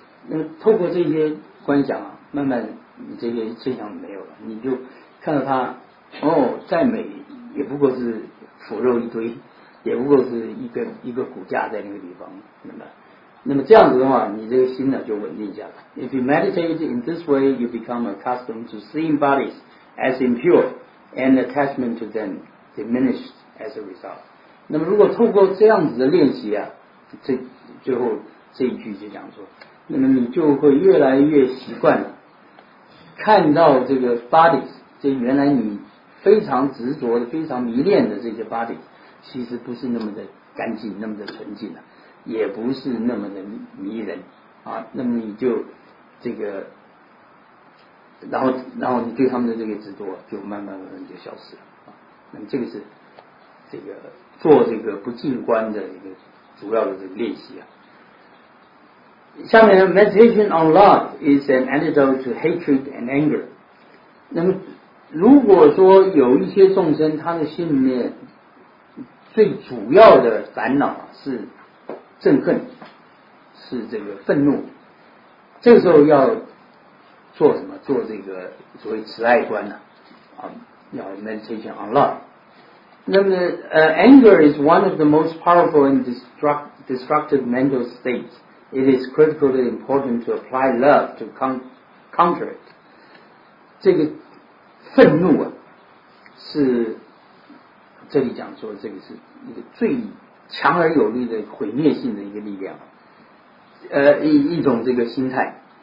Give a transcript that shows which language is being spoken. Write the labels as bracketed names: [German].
[Chinese] 那透过这些观想啊，慢慢你这些思想没有了，你就看到它，哦，再美也不过是腐肉一堆，也不过是一个骨架在那个地方，明白？那么这样子的话，你这个心呢就稳定下来。 [English] If you meditate in this way, you become accustomed to seeing bodies as impure, and attachment to them diminished as a result. [Chinese] 那么如果透过这样子的练习啊，这最后这一句就讲说，那么你就会越来越习惯看到这个 bodies， 这原来你非常执着的、非常迷恋的这些 bodies， 其实不是那么的干净、那么的纯净的、啊。也不是那么的迷人啊，那么你就这个，然后你对他们的这个执着就慢慢就消失了啊。那么这个是这个做这个不净观的一个主要的这个练习啊。下面 [English] meditation on love is an antidote to hatred and anger。 [Chinese] 那么如果说有一些众生他的心里面最主要的烦恼是憎恨，是这个愤怒，这个时候要做什么？做这个所谓慈爱观呢、啊？啊，要 [English] meditation on love。 [Chinese] 那么 [English] anger is one of the most powerful and destructive mental states. It is critically important to apply love to counter it. [Chinese] 这个愤怒啊，是这里讲说这个是一个最强而有力的毁灭性的一个力量，一种这个心态。